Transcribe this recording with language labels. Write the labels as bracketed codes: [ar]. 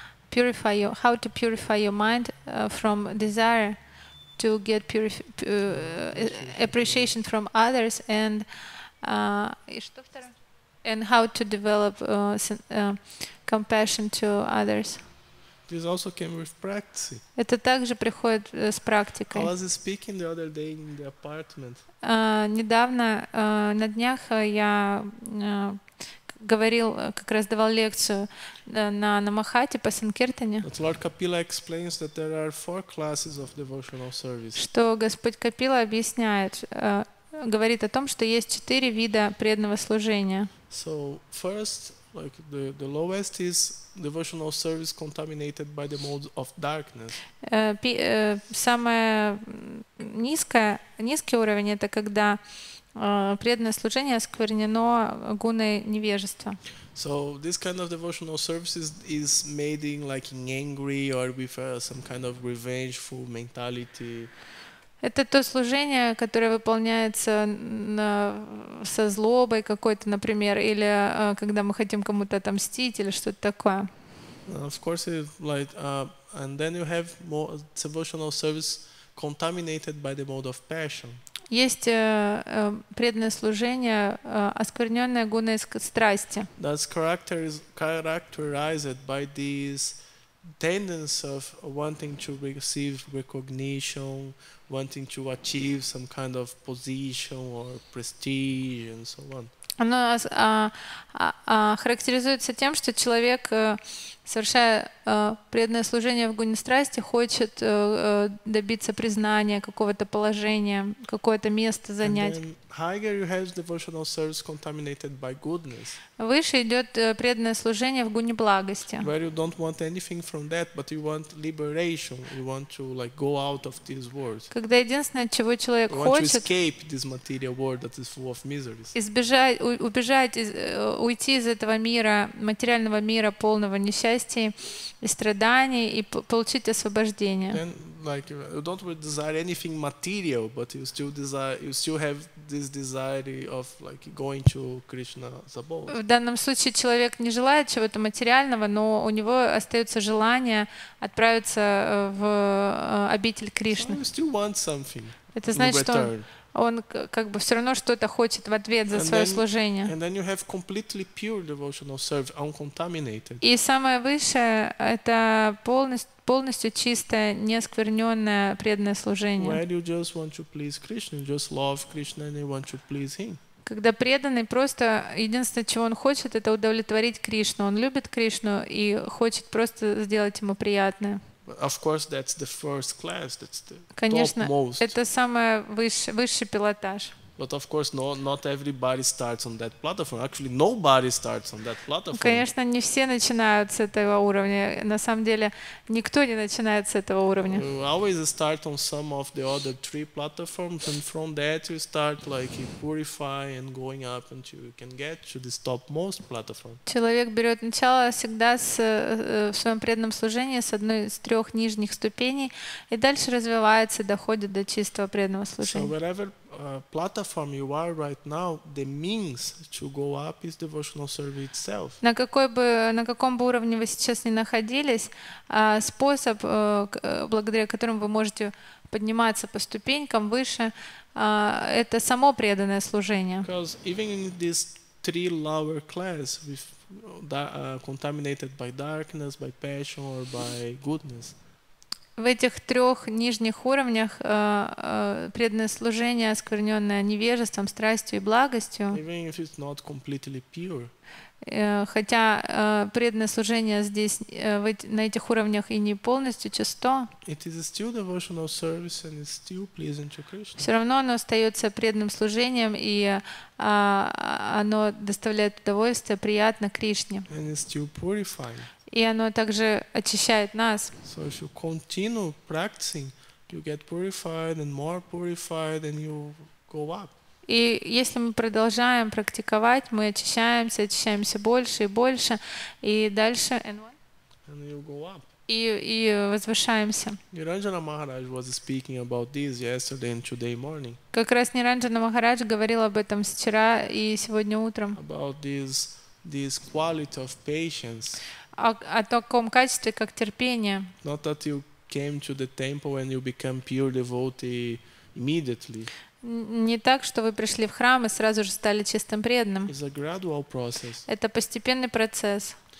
[en] Purify your, how to purify your mind from desire to get appreciation from others, and how to develop compassion to others. This also came with practice. [ru] Это также приходит с практикой. [en] I was speaking the other day in the apartment. [ru] Недавно, на днях я говорил, как раз давал лекцию на Махате по Санкиртане. [en] But Lord Kapila explains that there are four classes of devotional service. [ru] Что Господь Капила объясняет, говорит о том, что есть четыре вида преданного служения. [en] So first, like the lowest is devotional service contaminated by the modes of darkness. [ru] Самое низкий уровень — это когда преданное служение осквернено гуной невежества. [en] So this kind of devotional service is made in like in angry or with some kind of revengeful mentality. [ru] Это то служение, которое выполняется со злобой какой-то, например, или когда мы хотим кому-то отомстить или что-то такое. [en] Of course, like, and then you have more devotional service contaminated by the mode of passion. [ru] Есть преданное служение, осквернённое гуной страсти. [en] That's characterized by this tendency of wanting to receive recognition, wanting to achieve some kind of position or prestige and so on. [ru] Оно характеризуется тем, что человек совершая преданное служение в Гуньстрасте, хочет добиться признания, какого-то положения, какое-то место занять. Выше идет преданное служение в Гуне благости. [en] Where you don't want anything from that, but you want liberation. You want to like go out of this world. [ru] Когда единственное, чего человек хочет, [en] want to escape this material world that is full of miseries. [ru] Избежать, убежать, уйти из этого мира, материального мира, полного несчастья и страданий, и получить освобождение. [en] Then, like, you don't desire anything material, but you still desire, you still have this desire of like going to Krishna's abode. [ru] В данном случае человек не желает чего-то материального, но у него остается желание отправиться в обитель Кришны. [en] So you still want something. [ru] Это значит, что он как бы все равно что-то хочет в ответ за свое служение. [en] And then you have completely pure devotional service, uncontaminated. [ru] И самое высшее – это полностью чистое, неоскверненное преданное служение. [en] Where you just want to please Krishna, you just love Krishna and you want to please Him. [ru] Когда преданный просто единственное, чего он хочет, это удовлетворить Кришну. Он любит Кришну и хочет просто сделать ему приятное. [en] Of course, that's the first class. That's the topmost. [ru] Конечно, это самый высший пилотаж. [en] But of course, not everybody starts on that platform. Actually, nobody starts on that platform. [ru] Конечно, не все начинают с этого уровня. На самом деле, никто не начинает с этого уровня. [en] You always start on some of the other three platforms, and from that you start like purifying and going up until you can get to this topmost platform. [ru] Человек берет начало всегда в своем преданном служении с одной из трех нижних ступеней, и дальше развивается, доходит до чистого преданного служения. [en] Platform you are right now, the means to go up is devotional service itself. [ru] На каком бы уровне вы сейчас ни находились, способ, благодаря которому вы можете подниматься по ступенькам выше, это само преданное служение. [en] Because even in this three lower class, with contaminated by darkness, by passion, or by goodness. [ru] В этих трех нижних уровнях преданное служение, оскверненное невежеством, страстью и благостью. [en] Even if it's not completely pure. [ru] Хотя преданное служение здесь на этих уровнях и не полностью чисто. [en] It is still devotional service and it's still pleasing to Krishna. [ru] Все равно оно остается преданным служением и оно доставляет удовольствие, приятно Кришне. [en] And it's still purifying. [ru] И оно также очищает нас. [en] So if you continue practicing, you get purified and more purified, and you go up. [ru] И если мы продолжаем практиковать, мы очищаемся, очищаемся больше и больше, и дальше. [en] And you go up. [ru] И возвышаемся. [en] Niranjana Maharaj was speaking about this yesterday and today morning. [ru] Как раз Ниранджана Махарадж говорил об этом вчера и сегодня утром. [en] About this quality of patience. [ru] О таком качестве, как терпение. [en] Not that you came to the temple and you become pure devotee immediately. [ru] Не так, что вы пришли в храм и сразу же стали чистым преданным. [en] It's a gradual process. [ru] Это постепенный процесс.